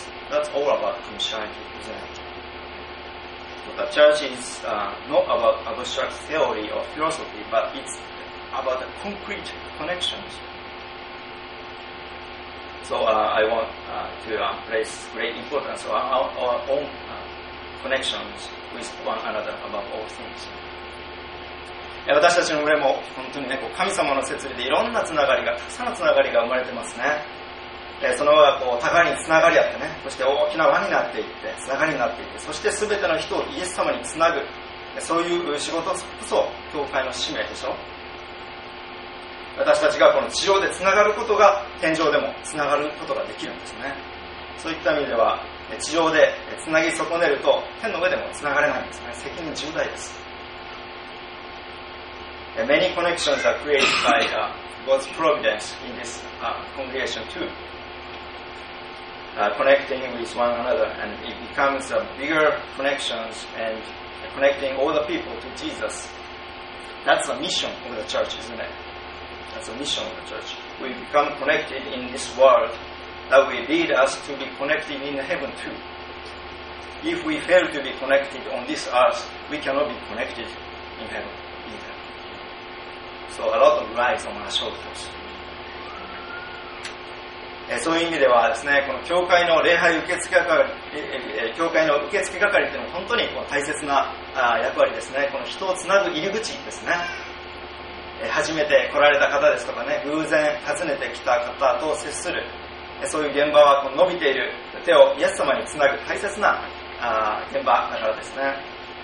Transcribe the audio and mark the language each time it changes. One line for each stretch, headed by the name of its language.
English: That's all about Christianity, isn't it? The church is not about abstract theory or philosophy, but it's about the concrete connections. So I want to place great importance on our own connections with one another above all things.
Japanese: 私たちの群れも本当に、ね、こう神様の摂理でいろんなつながりが、たくさんのつながりが生まれてますね。その輪がこう互いにつながり合ってね、そして大きな輪になっていって、つながりになっていって、そして全ての人をイエス様につなぐ、そういう仕事こそ教会の使命でしょ。私たちがこの地上でつながることが天上でもつながることができるんですね。そういった意味では地上でつなぎ損ねると天の上でもつながれないんですね。責任重大です。
English: Many connections are created by God's providence in this congregation tooconnecting with one another, and it becomes a bigger connections and connecting all the people to Jesus. That's the mission of the church, isn't it? That's the mission of the church. We become connected in this world that will lead us to be connected in heaven too. If we fail to be connected on this earth, we cannot be connected in heaven either. So a lot of lies on our shoulders.
Japanese: そういう意味ではですね、この教会の礼拝受付係、教会の受付係というのは本当に大切な役割ですね。この人をつなぐ入り口ですね。初めて来られた方ですとかね、偶然訪ねてきた方と接する、そういう現場は伸びている手をイエス様につなぐ大切な現場だからですね。